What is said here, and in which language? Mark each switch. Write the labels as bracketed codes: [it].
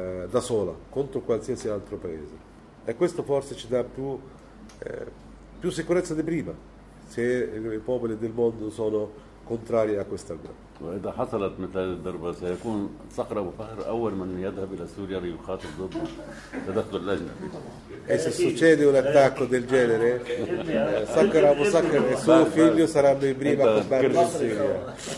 [it] da sola contro qualsiasi altro paese, e questo forse ci dà più sicurezza di prima se i popoli del mondo sono contrari a questa guerra. [ar] وإذا حصلت مثل هذه الضربة سيكون صقر أبو فهر أول من يذهب إلى سوريا ليقاتل ضد تدخل اللجنة. [it] إذا succede un attacco del genere, صقر أبو صقر e suo figlio saranno i primi a combattere in Siria.